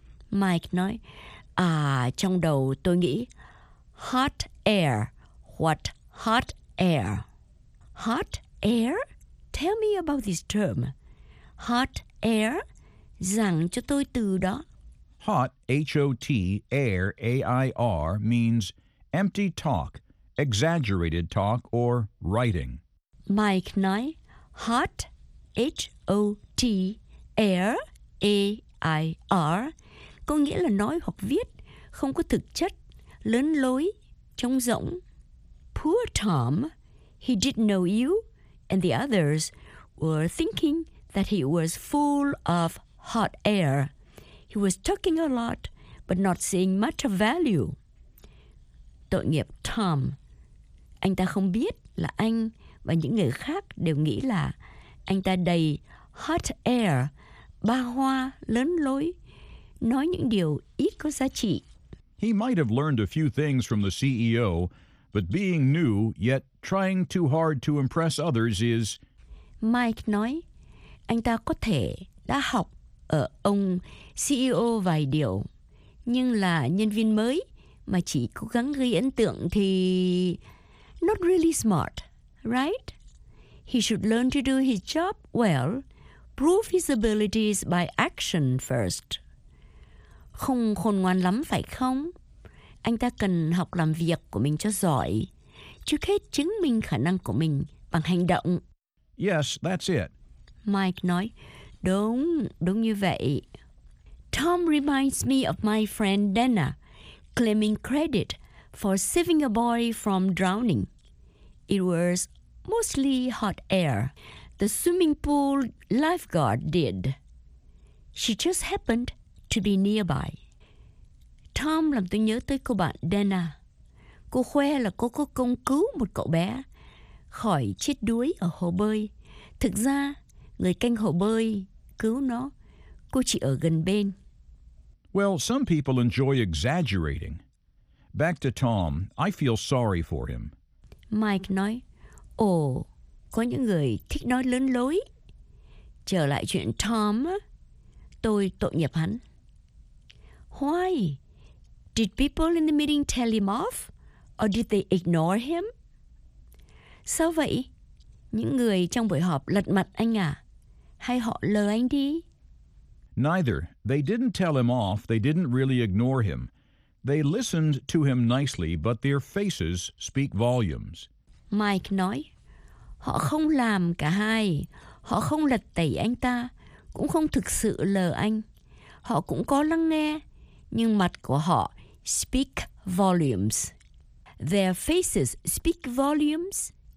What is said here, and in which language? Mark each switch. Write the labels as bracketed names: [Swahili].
[Vietnamese] Mike nói, à, trong đầu tôi nghĩ, hot air, what hot air? [English] Hot air? Tell me about this term. Hot air? [Vietnamese] Giảng cho tôi từ đó. [English] Hot, H-O-T, air, A-I-R, means empty talk, exaggerated talk or writing. [Vietnamese] Mike nói, hot, H-O-T, air, A-I-R, có nghĩa là nói hoặc viết, không có thực chất, lớn lối, trống rỗng. [English] Poor Tom, he didn't know you, and the others were thinking that he was full of hot air. He was talking a lot, but not seeing much of value. [Vietnamese] Tội nghiệp Tom. Anh ta không biết là anh và những người khác đều nghĩ là anh ta đầy hot air, ba hoa, lớn lối, nói những điều ít có giá trị. [English] He might have learned a few things from the CEO, but being new, yet trying too hard to impress others is... [Vietnamese] Mike nói, anh ta có thể đã học ở ông CEO vài điều, nhưng là nhân viên mới mà chỉ cố gắng gây ấn tượng thì [English] not really smart, right? He should learn to do his job well, prove his abilities by action first. [Vietnamese] Không khôn ngoan lắm phải không? Anh ta cần học làm việc của mình cho giỏi, trước hết chứng minh khả năng của mình bằng hành động. [English] Yes, that's it. [Vietnamese] Mike nói, đúng, đúng như vậy. [English] Tom reminds me of my friend Dana, claiming credit for saving a boy from drowning. It was mostly hot air. The swimming pool lifeguard did. She just happened to be nearby. [Vietnamese] Tom làm tôi nhớ tới cô bạn Dana. Cô khoe là cô có công cứu một cậu bé khỏi chết đuối ở hồ bơi. Thực ra, người canh hồ bơi cứu nó. Cô chỉ ở gần bên. [English] Well, some people enjoy exaggerating. Back to Tom, I feel sorry for him. [Vietnamese] Mike nói, ồ, có những người thích nói lớn lối. Trở lại chuyện Tom, tôi tội nghiệp hắn. [English] Why? Did people in the meeting tell him off? Or did they ignore him? [Vietnamese] Sao vậy? Những người trong buổi họp lật mặt anh à? Hay họ lờ anh đi? [English] Neither. They didn't tell him off. They didn't really ignore him. They listened to him nicely, but their faces speak volumes. [Vietnamese] Mike nói, họ không làm cả hai. Họ không lật tẩy anh ta, cũng không thực sự lờ anh. Họ cũng có lắng nghe, nhưng mặt của họ speak volumes. [English] Their faces speak volumes.